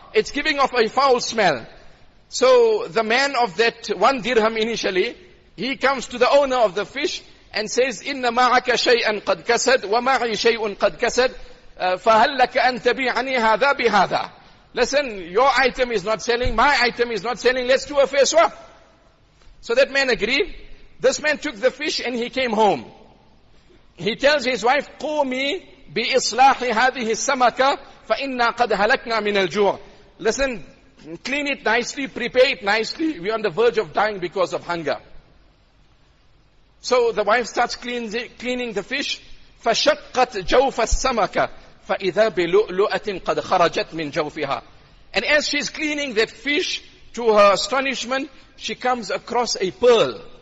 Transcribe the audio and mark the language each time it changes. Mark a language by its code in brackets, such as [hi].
[en] It's giving off a foul smell. So the man of that one dirham initially, he comes to the owner of the fish and says, [ar] إِنَّ مَعَكَ شَيْئًا قَدْ كَسَدْ وَمَعِي شَيْءٌ قَدْ كَسَدْ فَهَلَّكَ أَنْ تَبِيعَنِي هَذَا بِهَذَا. [en] Listen, your item is not selling, my item is not selling, let's do a fair swap. So that man agreed. This man took the fish and he came home. He tells his wife, [ar] قومي بإصلاح هذه السمكة فإنا قد هلكنا من الجوع. [en] Listen, clean it nicely, prepare it nicely. We are on the verge of dying because of hunger. So the wife starts cleaning the fish. [ar] فشقت جوف السمكة فَإِذَا بِلُؤْلُؤَةٍ قَدْ خَرَجَتْ مِنْ جَوْفِهَا. [en] And as she's cleaning that fish, to her astonishment, she comes across a pearl.